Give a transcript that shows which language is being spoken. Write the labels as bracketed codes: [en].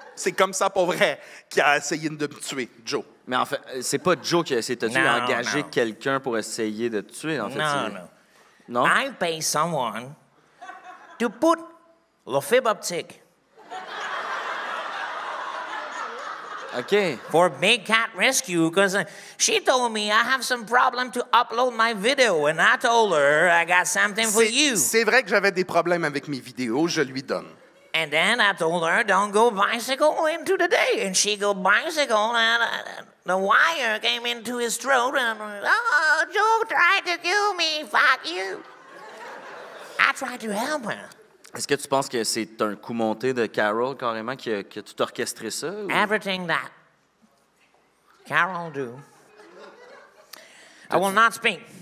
[fr] C'est comme ça, pour vrai, qui a essayé de me tuer, Joe. Mais en fait, c'est pas Joe qui a essayé de te tuer. Il a engagé quelqu'un pour essayer de te tuer, en fait. Non. [en] I pay someone to put [fr] le fibre optique. [en] OK. For Big Cat Rescue, because she told me I have some problem to upload my video, and I told her I got something for you. [fr] C'est vrai que j'avais des problèmes avec mes vidéos, je lui donne. [en] And then I told her, don't go bicycle into the day. And she go bicycle, and the wire came into his throat, and, oh, Joe tried to kill me, fuck you. I tried to help her. [fr] Est-ce que tu penses que c'est un coup monté de Carol, carrément, qui a tout orchestré ça? Ou... [en] Everything that Carol do, I will not speak.